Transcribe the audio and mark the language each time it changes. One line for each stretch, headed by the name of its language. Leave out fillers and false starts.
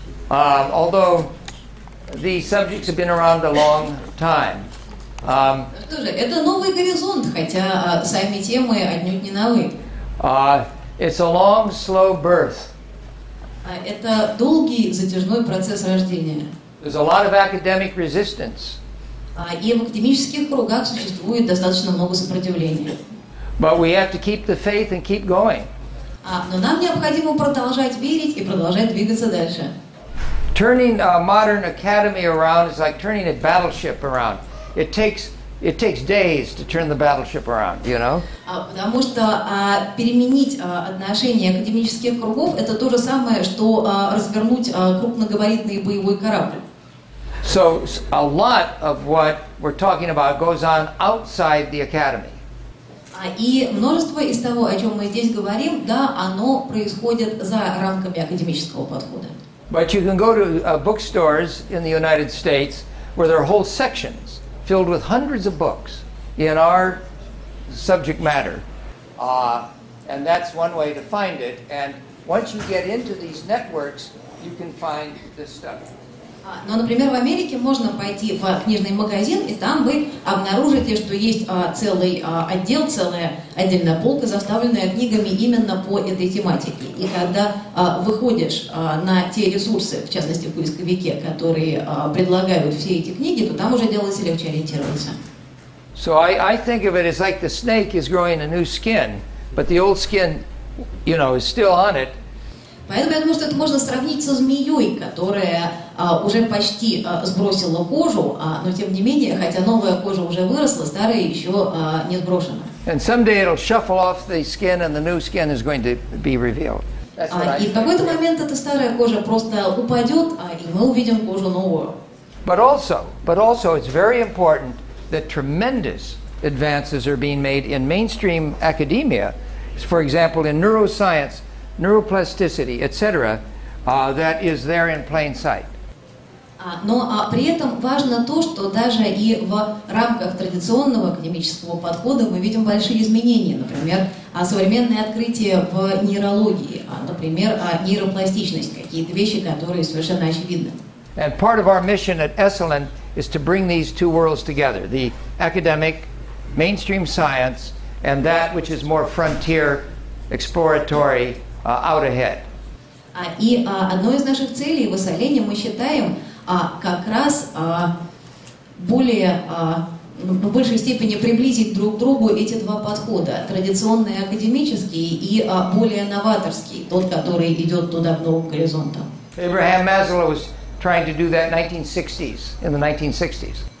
English: Although the subjects have been around a long time.
Russian: Это новый горизонт, хотя сами темы отнюдь не новые.
English: It's a long, slow birth.
Russian: Это долгий, затяжной процесс рождения.
English: There's a lot of academic resistance.
Russian: И в академических кругах существует достаточно много сопротивления.
English: But we have to keep the faith and keep going.
Russian: Но нам необходимо продолжать верить и продолжать двигаться дальше.
English: Turning a modern academy around is like turning a battleship around. It takes days to turn the battleship around, you know?
Russian: Потому что переменить отношение академических кругов – это то же самое, что развернуть крупногабаритный боевой корабль.
English: So a lot of what we're talking about goes on outside the academy.
Russian: И множество из того, о чем мы здесь говорим, да, оно происходит за рамками академического подхода.
English: But you can go to bookstores in the United States where there are whole sections filled with hundreds of books in our subject matter. And that's one way to find it. And once you get into these networks, you can find this stuff.
Russian: Но, например, в Америке можно пойти в книжный магазин, и там вы обнаружите, что есть целый отдел, целая отдельная полка, заставленная книгами именно по этой тематике. И когда выходишь на те ресурсы, в частности, в поисковике, которые предлагают все эти книги, то там уже делается легче ориентироваться.
English: So I think of it as like the snake is growing a new skin, but the old skin, you know, is still on it.
Russian: Поэтому я думаю, что это можно сравнить со змеей, которая уже почти сбросила кожу, но тем не менее, хотя новая кожа уже выросла, старая еще не сброшена.
English: And someday it'll shuffle off the skin, and the new skin is going to be revealed.
Russian: И в какой-то момент эта старая кожа просто упадет, и мы увидим кожу новую.
English: But also, it's very important that tremendous advances are being made in mainstream academia, for example, in neuroscience. Neuroplasticity, etc., that is there in plain sight.
Russian: Но при этом важно то, что даже и в рамках традиционного академического подхода мы видим большие изменения. Например, современные открытия в нейрологии, например, нейропластичность, какие-то вещи, которые совершенно очевидны.
English: And part of our mission at Esalen is to bring these two worlds together: the academic, mainstream science, and that which is more frontier, exploratory. Out ahead.
Russian: И одной из наших целей в Эссалене мы считаем как раз более в большей степени приблизить друг к другу эти два подхода: традиционный академический и более новаторский, тот, который идет туда к новым горизонтам.
English: Abraham Maslow was trying to do that in the 1960s.